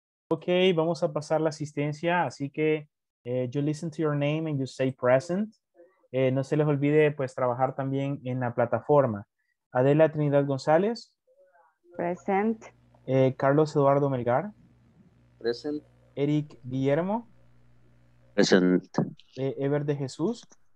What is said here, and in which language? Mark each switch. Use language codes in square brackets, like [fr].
[es] Ok, vamos a pasar la asistencia, así que [en] You listen to your name and you say present. [es] No se les olvide, pues, trabajar también en la plataforma. Adela Trinidad González. [en] Present. [es] Carlos Eduardo Melgar. [en] Present. [es] Eric Guillermo. [en] Present. [es] Ever de Jesús.